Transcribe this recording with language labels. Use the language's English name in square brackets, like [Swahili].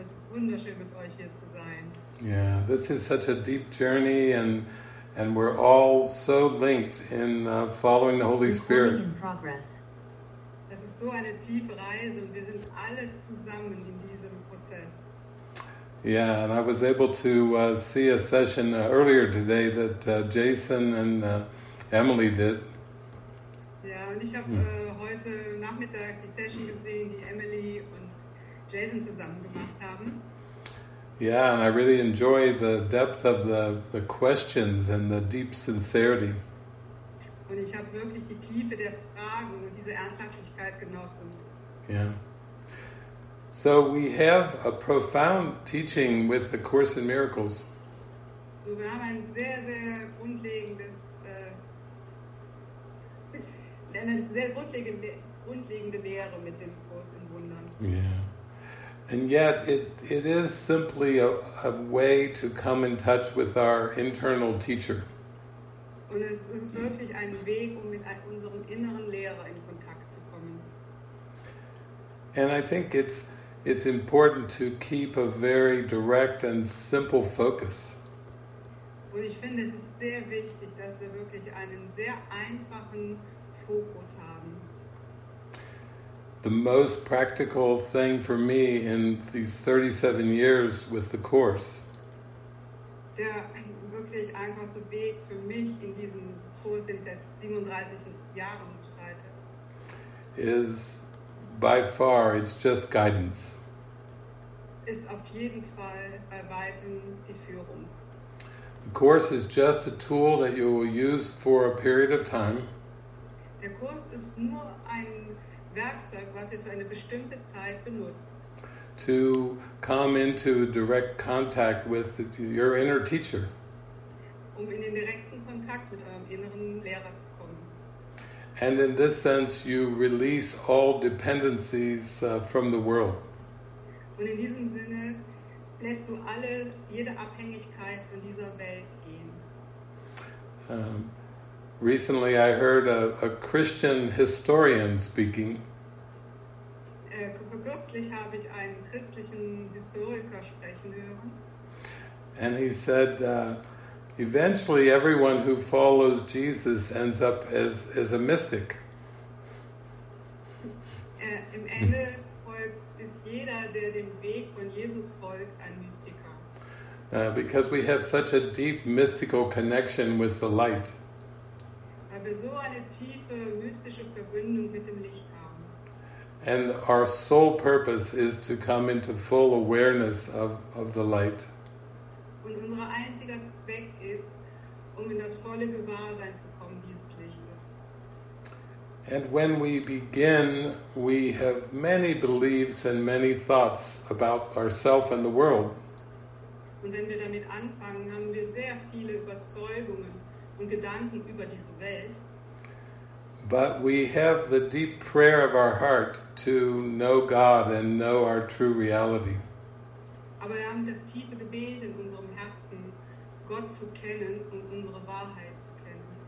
[German] Es ist wunderschön, mit euch hier zu sein. [English] Yeah, this is such a deep journey, and we're all so linked in following the Holy Spirit. [German] Das ist so eine tiefe Reise, und wir sind alle zusammen in diesem Prozess. [English] Yeah, and I was able to see a session earlier today that Jason and Emily did. [German] Ja, und ich habe heute Nachmittag die Session gesehen, die Emily und Jason zusammen gemacht haben. [English] Yeah, and I really enjoy the depth of the questions and the deep sincerity. [German] Und ich habe wirklich die Tiefe der Fragen und diese Ernsthaftigkeit genossen. Yeah. [English] So we have a profound teaching with the Course in Miracles. [German] So wir haben ein sehr, sehr grundlegendes eine sehr grundlegende Lehre mit dem Kurs in Wundern. Yeah. [English] And yet, it is simply a way to come in touch with our internal teacher. [German] Und es ist wirklich ein Weg, um mit unserem inneren Lehrer in Kontakt zu kommen. [English] And I think it's important to keep a very direct and simple focus. [German] Und ich finde, es ist sehr wichtig, dass wir wirklich einen sehr einfachen Fokus haben. [English] The most practical thing for me in these 37 years with the Course. [German] Der wirklich einfachste Weg für mich in diesem Kurs, den ich seit 37 Jahren schreite, [English] is by far, it's just guidance. [German] Ist auf jeden Fall bei weitem die Führung. [English] The Course is just a tool that you will use for a period of time. [German] Der Kurs ist nur ein Werkzeug, was ihr für eine bestimmte Zeit benutzt. [English] To come into direct contact with your inner teacher. [German] Um in den direkten Kontakt mit eurem inneren Lehrer zu kommen. [English] And in this sense, you release all dependencies from the world. [German] Und in diesem Sinne lässt du alle jede Abhängigkeit von dieser Welt gehen. [English] Recently, I heard a Christian historian speaking. [German] Vor kürzlich habe ich einen christlichen Historiker sprechen hören. [English] And he said, eventually everyone who follows Jesus ends up as a mystic. [German] Im Ende ist jeder, der dem Weg von Jesus folgt, ein Mystiker. [English] Because we have such a deep mystical connection with the light. [German] Weil wir so eine tiefe mystische Verbindung mit dem Licht haben. [English] And our sole purpose is to come into full awareness of the light. [German] Und unser einziger Zweck ist, in das volle Gewahrsein zu kommen, dieses Lichtes. [English] And when we begin, we have many beliefs and many thoughts about ourselves and the world. [German] Und wenn wir damit anfangen, haben wir sehr viele Überzeugungen und Gedanken über diese Welt. [English] But we have the deep prayer of our heart to know God and know our true reality. [German] Aber wir haben das tiefe Gebet in unserem Herzen, Gott zu kennen und unsere Wahrheit zu kennen.